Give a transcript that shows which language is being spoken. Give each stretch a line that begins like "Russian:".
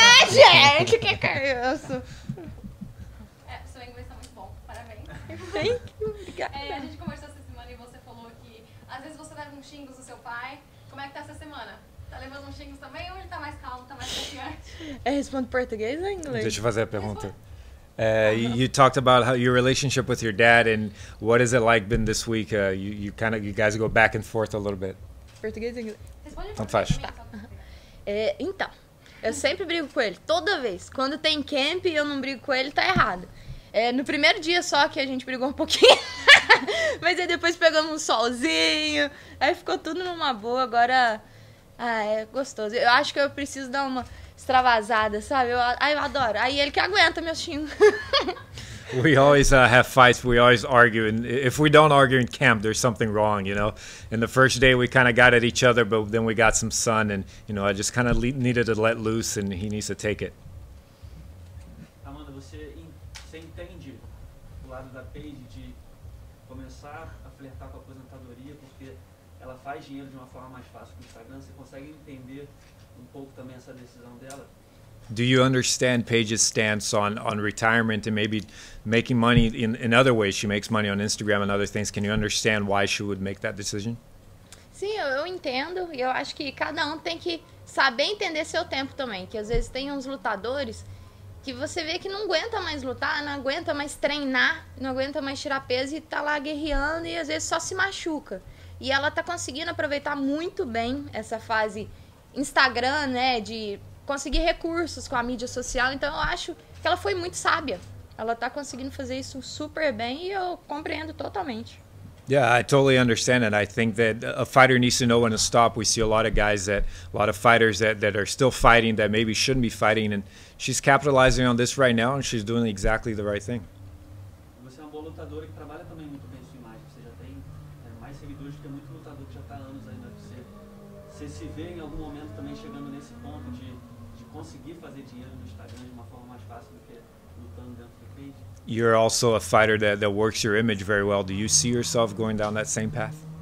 Portuguese: Gente, que é isso? Seu inglês tá muito bom, parabéns.
English: Thank you,
Portuguese: obrigada. A gente conversou essa semana e você falou que às vezes você leva uns xingos do seu pai. Como é que tá essa semana? Tá levando uns xingos também ou ele tá mais calmo, tá mais confiante? Responde português ou inglês? Deixa eu fazer a pergunta.
English: You talked about how your relationship with your dad, and what has it like been this week? You guys go back and forth a little bit.
Portuguese: Português e inglês. Então faz. Tá. Então, eu sempre brigo com ele, toda vez. Quando tem camp e eu não brigo com ele, tá errado. No primeiro dia só que a gente brigou um pouquinho, mas aí depois pegamos um solzinho, aí ficou tudo numa boa, agora é gostoso. Eu acho que eu preciso dar uma... extravasada, sabe? Eu adoro. Aí ele que aguenta, meu xingo.
English: We always have fights. We always argue. And if we don't argue in camp, there's something wrong, you know. And the first day, we kind of got at each other, but then we got some sun. And, you know, I just kind of needed to let loose, and he needs to take it.
Portuguese: Amanda, você entende o lado da Paige de começar a flertar com a aposentadoria, porque ela faz dinheiro de uma forma mais fácil com o Instagram. Você consegue entender um pouco também essa decisão dela?
English: Do you understand Paige's stance on retirement and maybe making money in other ways? She makes money on Instagram and other things. Can you understand why she would make that decision?
Portuguese: Sim, eu entendo. Eu acho que cada um tem que saber entender seu tempo também. Que às vezes tem uns lutadores que você vê que não aguenta mais lutar, não aguenta mais treinar, não aguenta mais tirar peso e tá lá guerreando e às vezes só se machuca. E ela tá conseguindo aproveitar muito bem essa fase Instagram, né, de conseguir recursos com a mídia social. Então eu acho que ela foi muito sábia. Ela tá conseguindo fazer isso super bem e eu compreendo totalmente.
English: Yeah, I totally understand it. I think that a fighter needs to know when to stop. We see a lot of guys that, a lot of fighters that are still fighting that maybe shouldn't be fighting, and she's capitalizing on this right now and she's doing exactly the right thing.
Portuguese: Você é um bom lutador e trabalha também muito bem sua imagem. Você já tem mais seguidores que muito lutador que já tá anos aí na UFC. Você se vê em algum momento também chegando nesse ponto de conseguir fazer dinheiro no Instagram de uma forma mais fácil do que lutando dentro do cage?
English: You're also a fighter that works your image very well. Do you see yourself going down that same path?